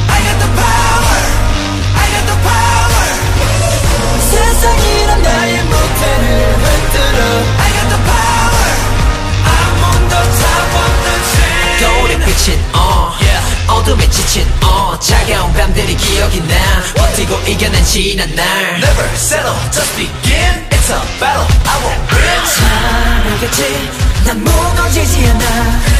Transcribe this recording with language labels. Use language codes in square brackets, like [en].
[en] I got the power, I got the power. [ko] 세상이란 나의 무대를 흔들어. [en] I got the power. I'm on the top of the chain. [ko] 거울에 비친 어둠에 지친 차가운 밤들이 기억이 나 버티고 이겨낸 지난 날 [en] Never settle, just begin It's a battle, I won't win [ko] 잘하겠지, 난 무너지지 않아